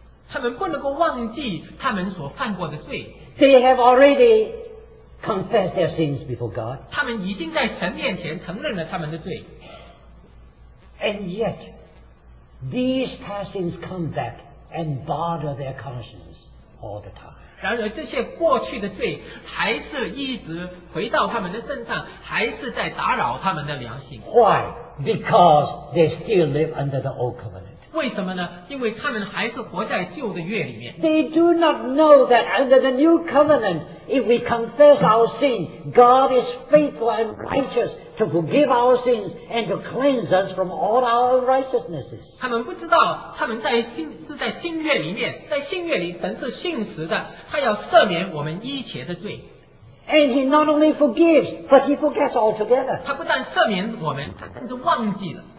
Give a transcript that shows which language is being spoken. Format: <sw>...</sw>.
<zh>他们不能够忘记他们所犯过的罪。</zh> <en>They have already confessed their sins before God.</en> <zh>他们已经在神面前承认了他们的罪。</zh> <en>And yet, these past sins come back and bother their conscience all the time.</en> <zh>然而这些过去的罪还是一直回到他们的身上，还是在打扰他们的良心。</zh> <en>Why? Because they still live under the old covenant.</en> <zh>为什么呢？因为他们还是活在旧的约里面。</zh> <en>They do not know that under the new covenant, if we confess our sin, God is faithful and righteous to forgive our sins and to cleanse us from all our unrighteousnesses.</en> <zh>他们不知道，他们在新是在新约里面，在新约里神是信实的，他要赦免我们一切的罪。</zh> <en>And He not only forgives, but He forgets altogether.</en> <zh>他不但赦免我们，他甚至忘记了。</zh>